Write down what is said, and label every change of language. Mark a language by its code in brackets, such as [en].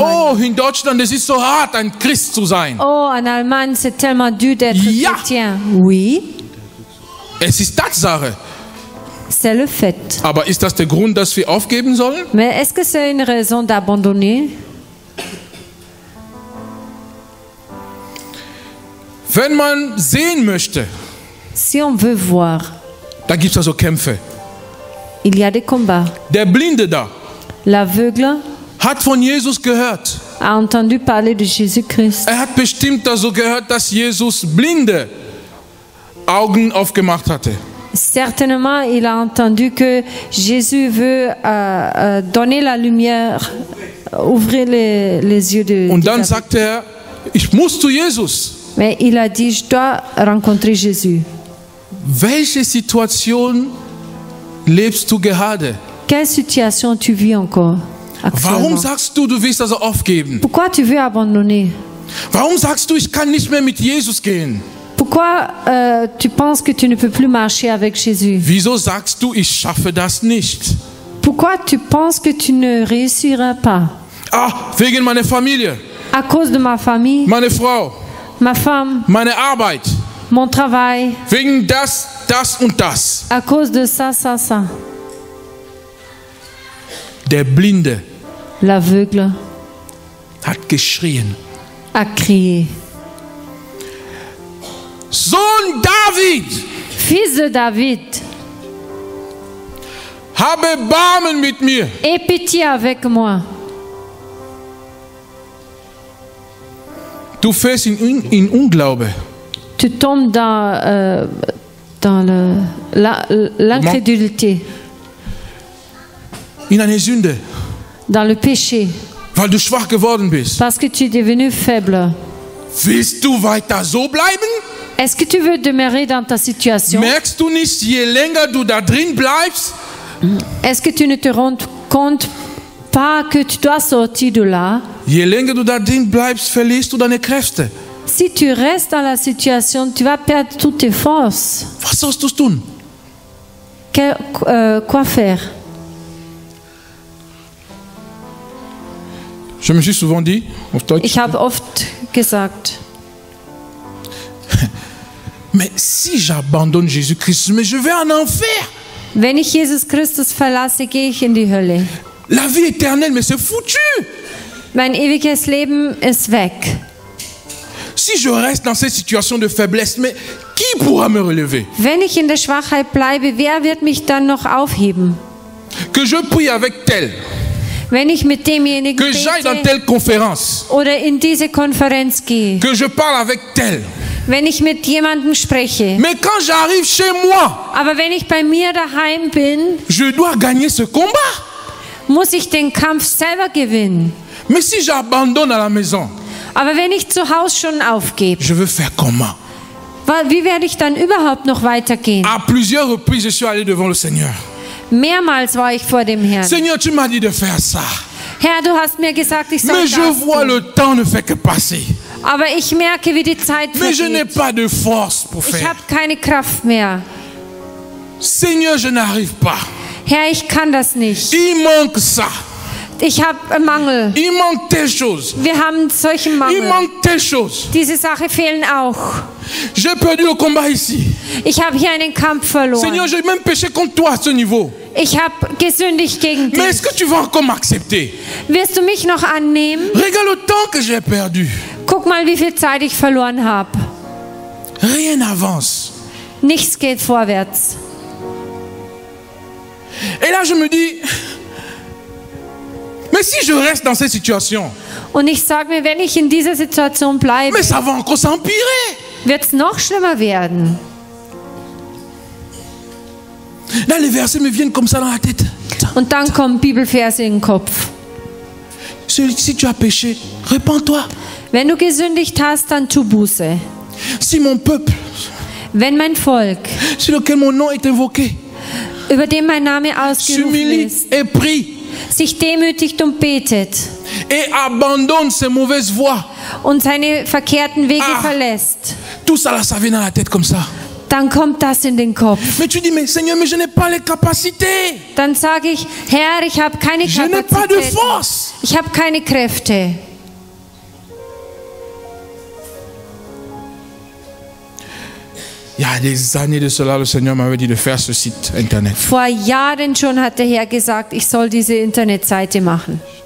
[de] Oh, in Deutschland, es ist so hart, ein Christ zu sein. [fr] Oh, en Allemagne, c'est tellement dur d'être [de] ja. [fr] chrétien. Oui. [de] Es ist Tatsache. [fr] C'est le fait. [de] Aber ist das der Grund, dass wir aufgeben sollen? [fr] Mais est-ce que c'est une raison d'abandonner? [de] Wenn man sehen möchte, [fr] si on veut voir, [de] da gibt's also Kämpfe. [fr] Il y a des combats. [de] Der Blinde da, [fr] l'aveugle, [de] hat von Jesus gehört. [fr] A entendu parler de Jésus-Christ. [de] Er hat bestimmt also gehört, dass Jesus Blinde Augen aufgemacht hatte. [fr] Certainement, il a entendu que Jésus veut donner la lumière, ouvrir les yeux de. [de] Und dann sagte er, ich muss zu Jesus. [fr] Mais il a dit, je dois rencontrer Jésus. [de] Welche Situation lebst du gerade? [fr] Quelle situation tu vis encore? [de] Warum sagst du, du willst also aufgeben? [fr] Pourquoi tu veux abandonner? [de] Warum sagst du, ich kann nicht mehr mit Jesus gehen? [fr] Pourquoi tu penses que tu ne peux plus marcher avec Jésus? [de] Wieso sagst du, ich schaffe das nicht? [fr] Pourquoi tu penses que tu ne réussiras pas? [de] Ah, wegen meiner Familie. [fr] À cause de ma famille. [de] Meine Frau. [fr] Ma femme. [de] Meine Arbeit. [fr] Mon travail. [de] Wegen das, das und das. [fr] À cause de ça, ça, ça. [de] Der Blinde. [fr] L'aveugle. [de] Hat geschrien. [fr] A crié. [de] Sohn David, [fr] Fils de David, [de] habe Barmen mit mir. [fr] Aie pitié avec moi. [de] Du fährst in Unglaube. [fr] Tu tombes dans dans le l'incrédulité. [de] In eine Sünde. [fr] Dans le péché. [de] Weil du schwach geworden bist. [fr] Parce que tu es devenu faible. [de] Willst du weiter so bleiben? [fr] Est-ce que tu veux demeurer dans ta situation? [de] Merkst du nicht, je länger du da drin bleibst? [fr] Est-ce que tu ne te rends compte pas que tu dois sortir de là? [de] Je länger du da drin bleibst, verlierst du deine Kräfte. [fr] Si tu restes dans la situation, tu vas perdre toutes tes forces. [de] Was sollst du tun? [fr] Quoi faire? Je me suis souvent dit, [de] auf Deutsch. Ich habe oft gesagt. [fr] Mais si j'abandonne Jésus-Christ, mais je vais en enfer. [de] Wenn ich Jesus Christus verlasse, gehe ich in die Hölle. [fr] La vie éternelle, mais c'est foutu. [de] Mein ewiges Leben ist weg. [fr] Si je reste dans cette situation de faiblesse, mais qui pourra me relever? [de] Wenn ich in der Schwachheit bleibe, wer wird mich dann noch aufheben? [fr] Que je prie avec tel. [de] Wenn ich mit demjenigen [fr] que j'aille dans telle conférence. [de] Oder in diese Konferenz gehe. [fr] Que je parle avec tel. [de] Wenn ich mit jemandem spreche. [fr] Mais quand j'arrive chez moi. [de] Aber wenn ich bei mir daheim bin. [fr] Je dois gagner ce combat. [de] Muss ich den Kampf selber gewinnen. [fr] Mais si j'abandonne à la maison. [de] Aber wenn ich zu Hause schon aufgebe. [fr] Je veux faire comment? [de] Wie werde ich dann überhaupt noch weitergehen? [fr] À plusieurs reprises, je suis allé devant le Seigneur. [de] Mehrmals war ich vor dem Herrn. [fr] Seigneur, tu m'as dit de faire ça. [de] Herr, du hast mir gesagt, ich soll [fr] mais [de] das [fr] je vois [de] tun. [fr] Le temps ne fait que passer. [de] Aber ich merke, wie die Zeit [fr] mais je n'ai pas de force pour [de] faire. Ich habe keine Kraft mehr. [fr] Seigneur, je n'arrive pas. [de] Herr, ich kann das nicht. [fr] Il manque ça. [de] Ich habe Mangel. [fr] Il manque telle chose. [de] Wir haben solchen Mangel. [fr] Il manque telle chose. [de] Diese Sache fehlen auch. [fr] J'ai perdu le combat ici. [de] Ich habe hier einen Kampf verloren. [fr] Seigneur, j'ai même péché contre toi à ce niveau. [de] Ich habe gesündigt gegen dich. [fr] Mais est-ce que tu vas encore m'accepter? [de] Wirst du mich noch annehmen? [fr] Regarde le temps que j'ai perdu. [de] Guck mal, wie viel Zeit ich verloren habe. [fr] Rien n'avance. [de] Nichts geht vorwärts. [fr] Et là, je me dis. Mais si je reste dans cette situation, [de] und ich sage mir, wenn ich in dieser Situation bleibe, [fr] mais ça va encore s'empirer. [de] Wird es noch schlimmer werden. [fr] Là, les versets me viennent comme ça dans la tête. [de] Und dann kommen Bibelverse in den Kopf. [fr] Si tu as péché, repens-toi. [de] Wenn du gesündigt hast, dann tu Buße. [fr] Si mon peuple, [de] wenn mein Volk, [fr] sur lequel mon nom est invoqué, [de] über dem mein Name ausgerufen ist, [fr] prie, [de] sich demütigt und betet [fr] et abandonne ses mauvaises voies, [de] und seine verkehrten Wege verlässt, [fr] tout ça, là, ça vient dans la tête comme ça. [de] Dann kommt das in den Kopf. [fr] Mais tu dis, mais, Seigneur, mais je n'ai pas les capacités. [de] Dann sage ich, Herr, ich habe keine [fr] je [de] Kapazität. [fr] N'ai pas de force. [de] Ich habe keine Kräfte. [fr] Il y a des années de cela, le Seigneur m'avait dit de faire ce site internet. [de] Vor Jahren schon hat der Herr gesagt, ich soll diese Internetseite machen.